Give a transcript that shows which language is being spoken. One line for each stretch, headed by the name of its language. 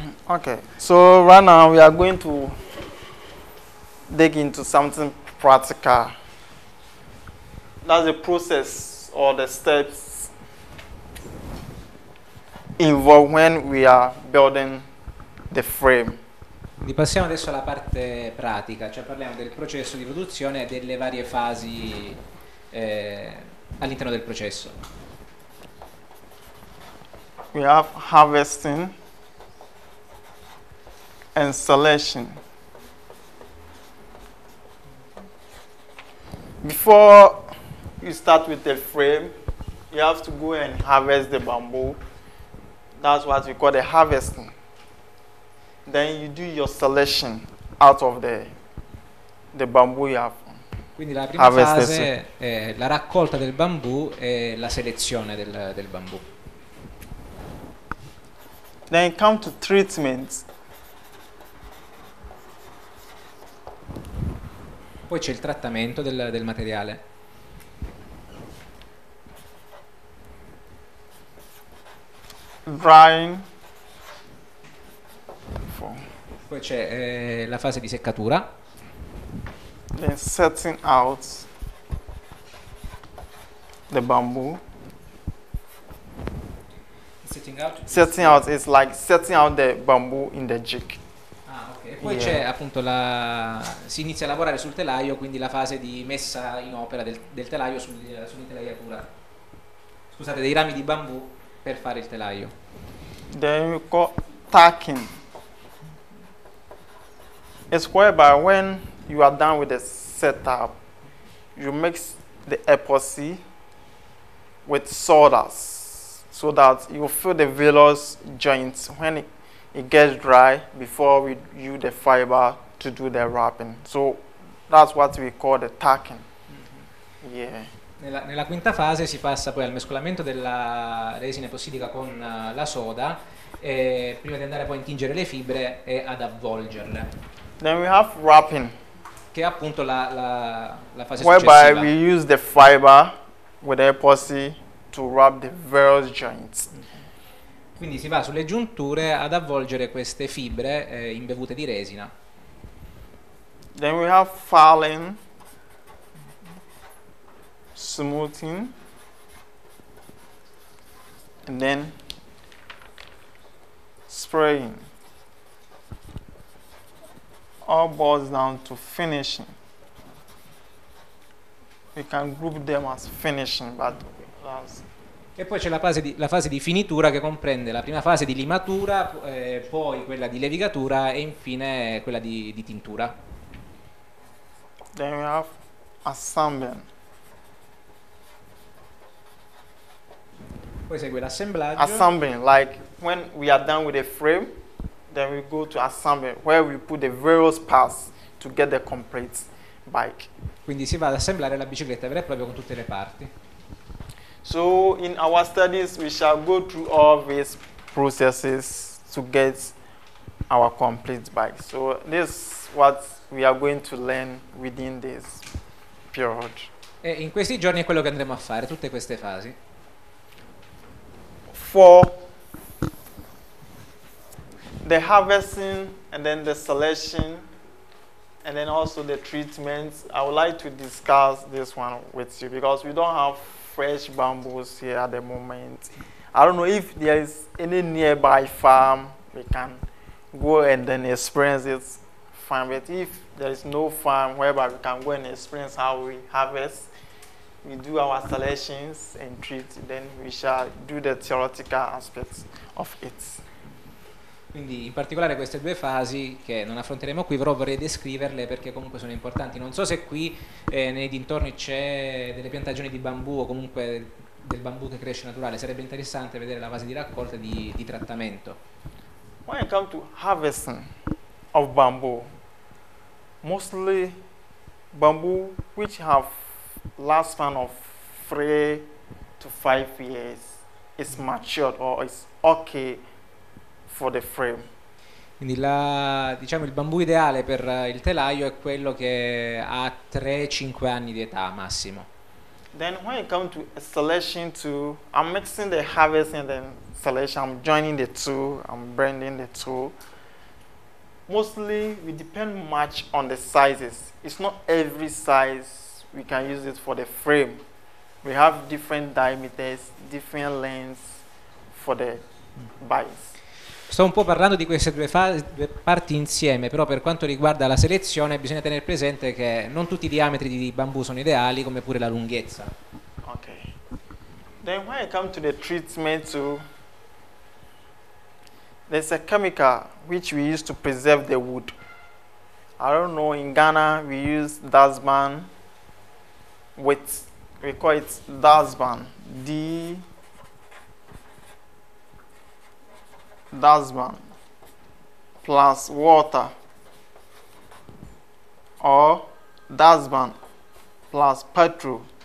English: Okay, so right now we are going to dig into something practical. That's the process or the steps involved when we are building the frame.
Italian: Ripassiamo adesso alla parte pratica, cioè parliamo del processo di produzione e delle varie fasi all'interno del processo.
English: We have harvesting. Installation. Before you start with the frame, you have to go and harvest the bamboo. That's what we call the harvesting. Then you do your selection out of the bamboo you have.
Italian: Quindi la prima harvested. Fase è la raccolta del bambù e la selezione del bambù.
English: Then come to treatment.
Italian: Poi c'è il trattamento del materiale.
English: Drying.
Italian: Poi c'è la fase di seccatura.
English: Then setting out the bamboo. Setting out is like setting out the bamboo in the jig.
Italian: E poi c'è appunto si inizia a lavorare sul telaio, quindi la fase di messa in opera del telaio sull'intelaiatura. Scusate, dei rami di bambù per fare il telaio.
English: Then you call tacking. It's whereby when you are done with the setup, you mix the epoxy with sawdust so that you fill the velus joints when it gets dry before we use the fiber to do the wrapping. So that's what we call the tacking. Mm-hmm. Yeah.
Italian: Nella quinta fase si passa poi al mescolamento della resina epossidica con la soda, e prima di andare poi a intingere le fibre e ad avvolgerle.
English: Then we have wrapping.
Italian: Che è appunto la fase
English: whereby
Italian: successiva.
English: Whereby we use the fiber with the epoxy to wrap the various joints.
Italian: Quindi si va sulle giunture ad avvolgere queste fibre imbevute di resina.
English: Then we have filing, smoothing, and then spraying. All boils down to finishing. we can group them as finishing, but
Italian: e poi c'è la fase di finitura, che comprende la prima fase di limatura, poi quella di levigatura e infine quella di tintura.
English: Then we have assembling.
Italian: Poi segue l'assemblaggio.
English: Assembling, like when we are done with a frame, then we go to assembling, where we put the various parts to get the complete bike.
Italian: Quindi si va ad assemblare la bicicletta vera e propria con tutte le parti.
English: So in our studies we shall go through all these processes to get our complete bike. So this is what we are going to learn within this period.
Italian: E in questi giorni è quello che andremo a fare, tutte queste fasi.
English: For the harvesting and then the selection and then also the treatment, I would like to discuss this one with you because we don't have fresh bamboos here at the moment. I don't know if there is any nearby farm we can go and then experience it farm, but if there is no farm whereby we can go and experience how we harvest, we do our selections and treat, then we shall do the theoretical aspects of it.
Italian: Quindi in particolare queste due fasi che non affronteremo qui, però vorrei descriverle perché comunque sono importanti. Non so se qui nei dintorni c'è delle piantagioni di bambù o comunque del bambù che cresce naturale, sarebbe interessante vedere la fase di raccolta e di trattamento.
English: When it comes to harvesting of bamboo, mostly bamboo which have last span of 3 to 5 years is matured or is okay for the frame.
Italian: Quindi la, diciamo, il bambù ideale per il telaio è quello che ha 3-5 anni di età massimo.
English: Then when it comes to selection too, I'm mixing the harvest and then selection, I'm joining the two, I'm blending the two. Mostly we depend much on the sizes. It's not every size we can use it for the frame. We have different diameters, different lengths for the bikes.
Italian: Sto un po' parlando di queste due parti insieme, però per quanto riguarda la selezione bisogna tenere presente che non tutti i diametri di bambù sono ideali, come pure la lunghezza. Ok.
English: Then when I come to the treatment too, there's a chemical which we use to preserve the wood. I don't know, in Ghana we use dustban with, we call it dustban, dustban plus water or dustban plus petrol.